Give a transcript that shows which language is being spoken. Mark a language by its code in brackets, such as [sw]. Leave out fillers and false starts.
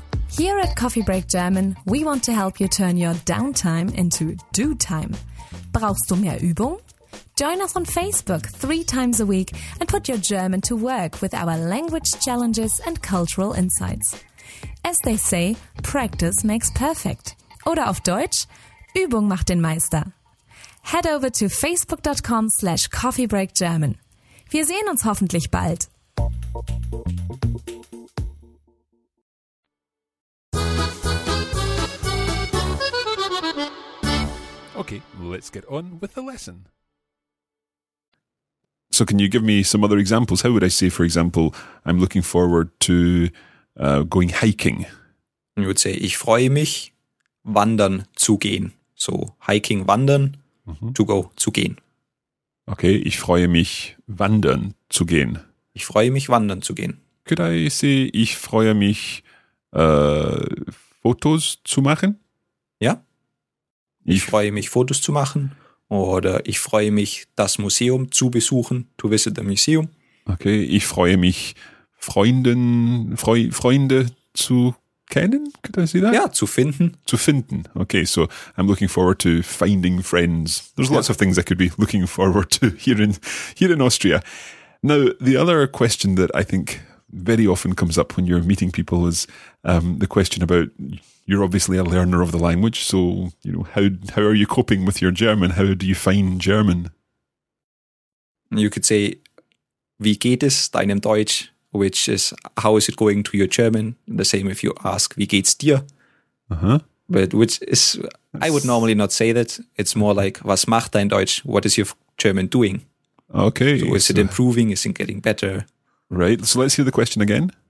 [en] Here at Coffee Break German, we want to help you turn your downtime into do time. [de] Brauchst du mehr Übung? [en] Join us on Facebook 3 times a week and put your German to work with our language challenges and cultural insights. As they say, practice makes perfect. [de] Oder auf Deutsch, Übung macht den Meister. [en] Head over to facebook.com/coffeebreakgerman. [de] Wir sehen uns hoffentlich bald. [en] Okay, let's get on with the lesson. So can you give me some other examples? How would I say, for example, I'm looking forward to going hiking? You would say, [de] ich freue mich, wandern zu gehen. [en] so Hiking, Wandern, to go, zu gehen. [de] Okay, ich freue mich, wandern zu gehen. Ich freue mich, wandern zu gehen. [en] Could I say, [de] ich freue mich, Fotos zu machen? Ja. Ich freue mich, Fotos zu machen. Oder ich freue mich, das Museum zu besuchen, [en] to visit the museum. [de] Okay, ich freue mich, Freunde zu kennen, [en] could I say that? [de] Ja, zu finden. [en] Zu finden, okay, so I'm looking forward to finding friends. There's lots of things I could be looking forward to here in Austria. Now, the other question that I think very often comes up when you're meeting people is the question about, you're obviously a learner of the language, so, you know, how are you coping with your German? How do you find German? You could say, [de] wie geht es deinem Deutsch? [en] Which is, how is it going to your German? The same if you ask, [de] wie geht's dir? [en] I would normally not say that. It's more like, [de] was macht dein Deutsch? [en] What is your German doing? Okay. So is it improving? Is it getting better? Right. So let's hear the question again.